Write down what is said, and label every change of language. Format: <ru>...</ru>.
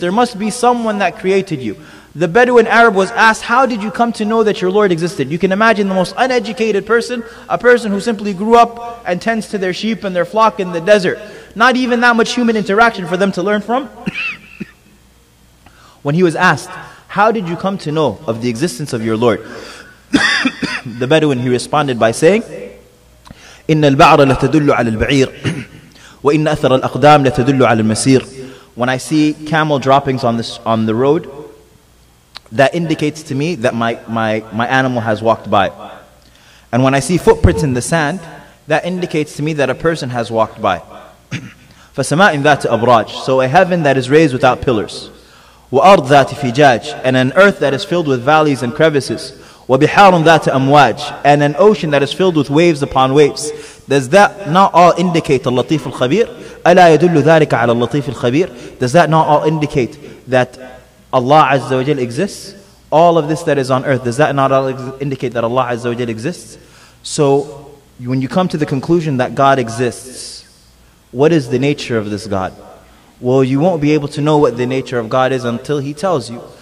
<en>There must be someone that created you. The Bedouin Arab was asked, how did you come to know that your Lord existed? You can imagine the most uneducated person, a person who simply grew up and tends to their sheep and their flock in the desert. Not even that much human interaction for them to learn from. When he was asked, how did you come to know of the existence of your Lord? The Bedouin, he responded by saying,</en> <ar>إِنَّ الْبَعْرَ لَتَدُلُّ عَلَى الْبَعِيرِ وَإِنَّ أَثَرَ الْأَقْدَامِ لَتَدُلُّ عَلَى الْمَسِيرِ.</ar> <en>When I see camel droppings on the road, that indicates to me that my animal has walked by. And when I see footprints in the sand, that indicates to me that a person has walked by.</en> <ar>فَسَمَاءٍ ذَاتِ أَبْرَاجٍ.</ar> <en>So a heaven that is raised without pillars.</en> <ar>وَأَرْضٍ ذَاتِ فِجَاجٍ.</ar> <en>And an earth that is filled with valleys and crevices.</en> <ar>وَبِحَارٌ ذَاتِ أَمْوَاجٍ.</ar> <en>And an ocean that is filled with waves upon waves. Does that not all indicate</en> <ar>اللطيف الخبير؟ أَلَا يَدُلُّ ذَلِكَ عَلَى اللَّطِيفِ الْخَبِيرِ.</ar> <en>Does that not all indicate that Allah Azza wa Jal exists? All of this that is on earth, does that not all indicate that Allah Azza wa Jal exists? So when you come to the conclusion that God exists, what is the nature of this God? Well, you won't be able to know what the nature of God is until He tells you.</en>